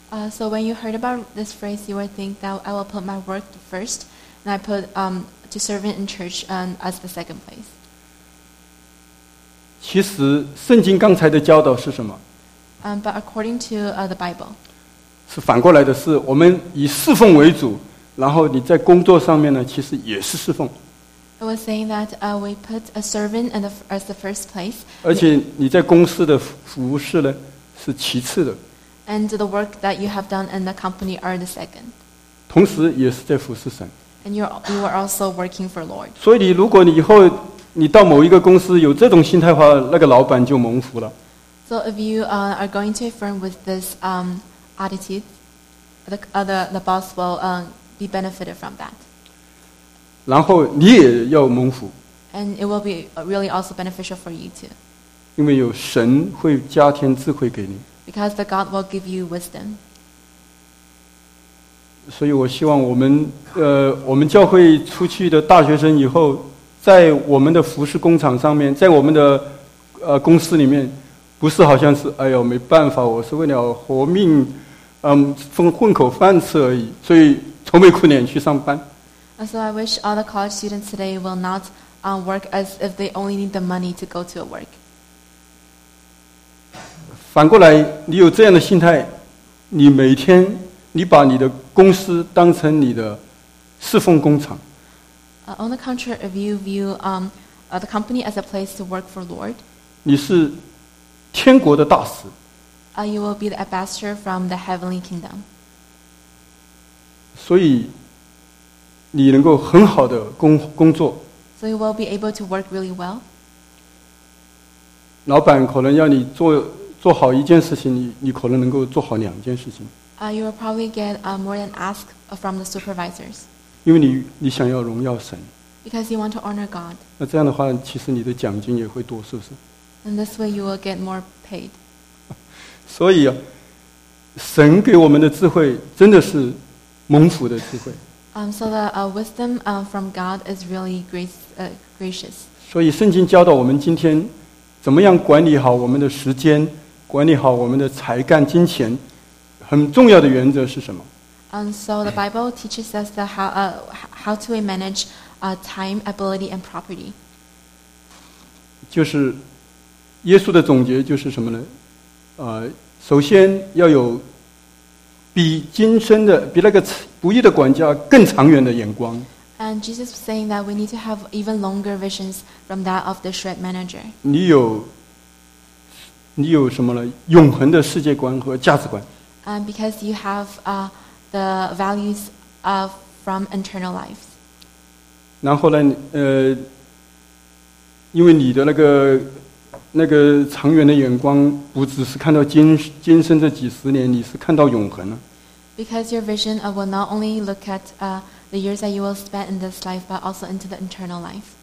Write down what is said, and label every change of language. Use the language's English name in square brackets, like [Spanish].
[English] So when you heard about this phrase, you would think that I will put my work first, and I put to serve in church as the second place. [Chinese] 其实圣经刚才的教导是什么 [English] But according to the Bible, [Chinese] 是反过来的是我们以侍奉为主，然后你在工作上面呢，其实也是侍奉。 [English] It was saying that we put a servant as the first place. [Chinese] 而且你在公司的服侍呢，是其次的。 [English] And the work that you have done in the company are the second. [Chinese] 同时也是在服侍神。 [English] And you are also working for Lord. [Chinese] 所以如果你以后你到某一个公司有这种心态的话，那个老板就蒙福了。 [English] So if you are going to a firm with this attitude, the boss will be benefited from that. [Chinese] 然后你也要蒙福。 [English] And it will be really also beneficial for you too. [Chinese] 因为有神会加添智慧给你。 [English] Because the God will give you wisdom. [Chinese] 所以我希望我们教会出去的大学生以后，在我们的服饰工厂上面，在我们的公司里面，不是好像是哎呦没办法，我是为了活命，混口饭吃而已，所以愁眉苦脸去上班。 [English] And so I wish all the college students today will not work as if they only need the money to go to a work. [Chinese] 反过来，你有这样的心态，你每天你把你的公司当成你的侍奉工厂。 [English] On the contrary, if you view the company as a place to work for Lord, [Chinese] 你是天国的大使。 [English] You will be the ambassador from the heavenly kingdom. [Chinese] 所以你能够很好的工作。 [English] So you will be able to work really well. [Chinese] 老板可能要你做好一件事情，你可能能够做好两件事情。 [English] You will probably get more than ask from the supervisors. [Chinese] 因为你想要荣耀神。 [English] Because you want to honor God. [Chinese] 那这样的话，其实你的奖金也会多，是不是？ [English] And this way you will get more paid. [Chinese] 所以，神给我们的智慧真的是蒙福的智慧。 [English] So the wisdom from God is really gracious. [Chinese] 所以圣经教导我们今天怎么样管理好我们的时间，管理好我们的才干、金钱，很重要的原则是什么 [English] ？So the Bible teaches us the how to manage time, ability, and property. [Chinese] 就是耶稣的总结就是什么呢？首先要有比今生的比那个不义的管家更长远的眼光。 [English] And Jesus was saying that we need to have even longer visions from that of the shrewd manager. [Chinese] 你有什么呢？永恒的世界观和价值观。 [English] Because you have the values of from eternal life. [Chinese] 然后呢，因为你的那个长远的眼光不只是看到今生这几十年，你是看到永恒了。 [English] Because your vision will not only look at the years that you will spend in this life, but also into the eternal life.